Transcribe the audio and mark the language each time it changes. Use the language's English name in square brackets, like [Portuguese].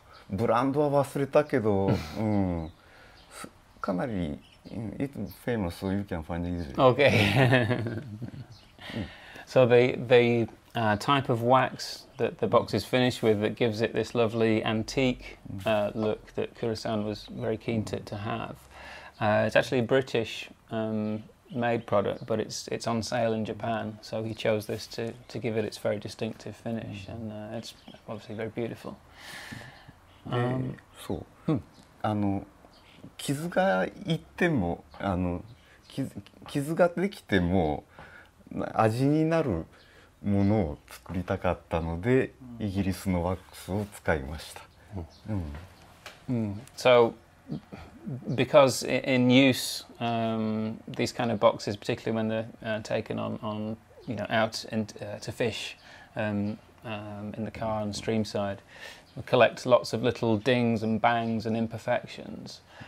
[Japanese] ブランドは忘れたけど、うん、かなり。 [English] It's famous, so you can find it easily. Okay. So the type of wax that the box is finished with that gives it this lovely antique look that Kura-san was very keen to have. It's actually a British made product, but it's on sale in Japan. So he chose this to give it its very distinctive finish. And it's obviously very beautiful. [Japanese] So,傷ができても味になるものを作りたかったのでイギリスのワックスを使いました。 [English] So because in use, these kind of boxes, particularly when they're taken on you know out and to fish, in the car on the stream side, collect lots of little dings and bangs and imperfections.